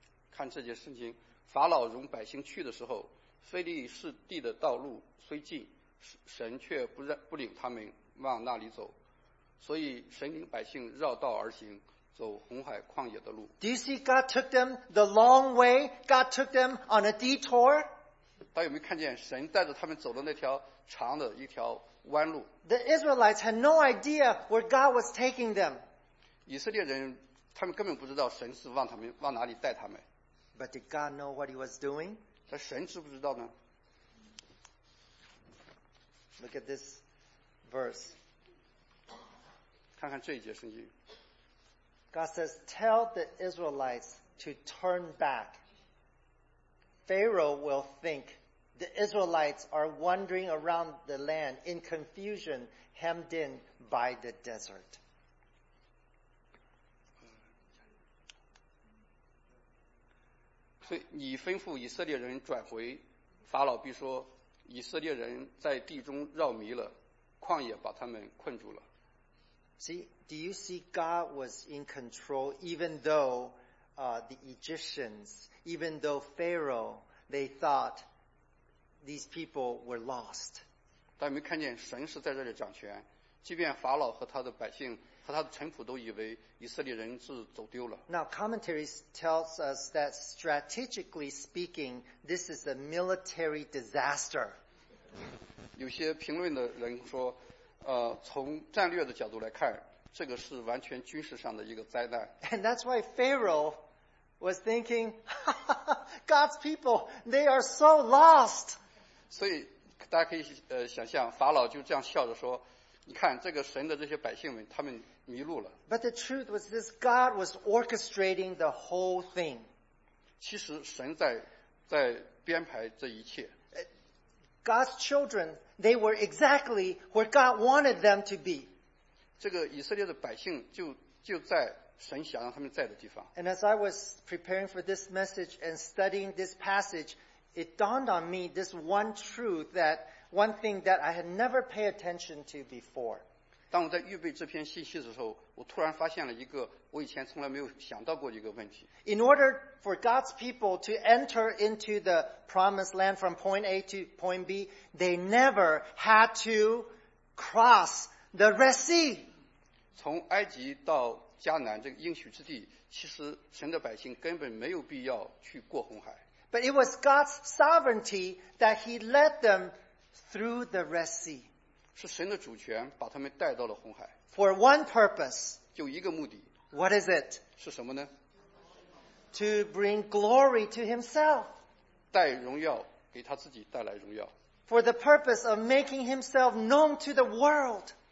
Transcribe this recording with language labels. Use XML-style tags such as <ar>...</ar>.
<zh>看这节圣经。法老容百姓去的时候，腓力士地的道路虽近，神却不领他们往那里走，所以神领百姓绕道而行，走红海旷野的路。</zh> <en>Do you see God took them the long way? God took them on a detour.</en> <zh>大家有没有看见神带着他们走的那条长的一条弯路</zh> <en>？The Israelites had no idea where God was taking them.</en> <zh>以色列人他们根本不知道神是往他们往哪里带他们。</zh> <en>But did God know what he was doing?</en> <zh>但神知不知道呢？</zh> <en>Look at this verse.</en> <zh>看看这一节圣经。</zh> <en>God says, tell the Israelites to turn back. Pharaoh will think the Israelites are wandering around the land in confusion, hemmed in by the desert.</en> <zh>所以你吩咐以色列人转回，法老必说以色列人在地中绕迷了，旷野把他们困住了。</zh> <en>See, do you see God was in control even though the Egyptians, even though Pharaoh, they thought these people were lost?</en> <zh>大家没看见神是在这里掌权，即便法老和他的百姓和他的臣仆都以为以色列人是走丢了。</zh> <en>Now commentaries tells us that strategically speaking, this is a military disaster.</en> <zh>有些评论的人说，从战略的角度来看，这个是完全军事上的一个灾难。</zh> <en>And that's why Pharaoh was thinking, God's people, they are so lost.</en> <zh>所以大家可以想象，法老就这样笑着说。你看这个神的这些百姓们，他们迷路了。</zh> <en>But the truth was this: God was orchestrating the whole thing.</en> <zh>其实神在编排这一切。</zh> <en>God's children, they were exactly where God wanted them to be.</en> <zh>这个以色列的百姓就在神想让他们在的地方。</zh> <en>And as I was preparing for this message and studying this passage, it dawned on me this one truth that. One thing that I had never paid attention to before.</en> <zh>当我在预备这篇信息的时候，我突然发现了一个我以前从来没有想到过的一个问题。</zh> <en>In order for God's people to enter into the promised land from point A to point B, they never had to cross the Red Sea.</en> <zh>从埃及到迦南这个应许之地，其实神的百姓根本没有必要去过红海。</zh> <en>But it was God's sovereignty that He led them through the Red Sea.</en> <zh>是神的主权把他们带到了红海。</zh> <en>For one purpose.</en> <zh>就一个目的。</zh> <en>What is it?</en> <zh>是什么呢？</zh> <en>To bring glory to Himself.</en> <zh>带荣耀，给他自己带来荣耀。</zh> <en>For the purpose of making Himself known to the world.</en>